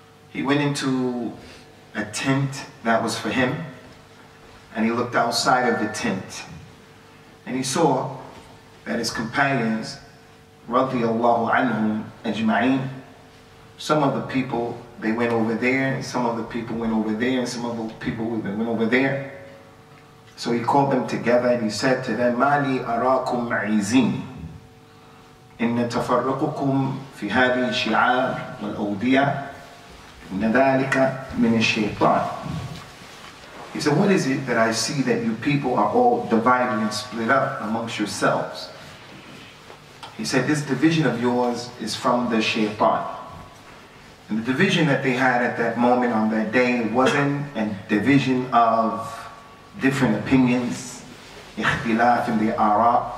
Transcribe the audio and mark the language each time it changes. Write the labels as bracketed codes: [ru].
[en] He went into a tent that was for him, and he looked outside of the tent, and he saw that his companions, radiallahu anhum ajma'in, some of the people, they went over there, and some of the people went over there, and some of the people went over there. So he called them together and he said to them, [ar] Mali arakum ma'izin. إن تفرقكم في هذه الشعار والأودية إن ذلك من الشيطان. [en] He said, what is it that I see that you people are all divided and split up amongst yourselves? He said, this division of yours is from the shaytan. And the division that they had at that moment on that day wasn't a division of different opinions, اختلاف in the آراء.